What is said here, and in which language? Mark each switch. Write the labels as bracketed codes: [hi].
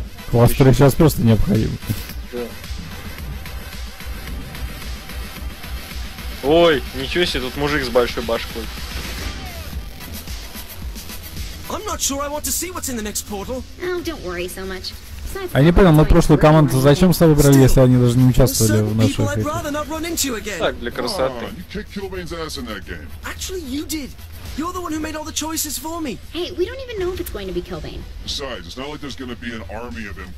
[ru] Кластеры сейчас просто необходимы. Да. Ой, ничего себе, тут мужик с большой башкой. [en] I'm not sure I want to see what's in the next portal. Oh, don't worry so much. [ru] А не понял, мы прошлую команду зачем собрали, если они даже не участвовали в наших играх? Так, для красоты. [en] Oh, you